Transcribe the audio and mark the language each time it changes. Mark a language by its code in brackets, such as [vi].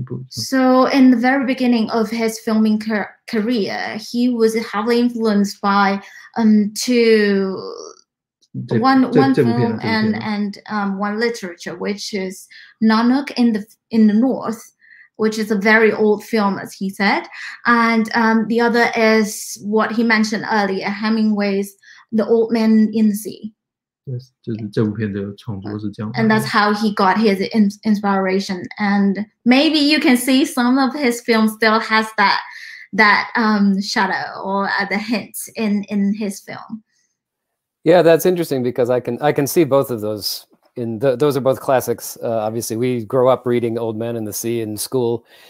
[en] So in the very beginning of his filming career, he was heavily influenced by one literature, which is Nanook in the North, which is a very old film, as he said, and the other is what he mentioned earlier, Hemingway's The Old Man in the Sea. Yes, [zh] 就是这部片的创作是这样的。 [en] And that's how he got his inspiration. And maybe you can see some of his films still has that shadow or the hint in his film. Yeah, that's interesting because I can see both of those. Those are both classics. Obviously, we grew up reading Old Man in the Sea in school.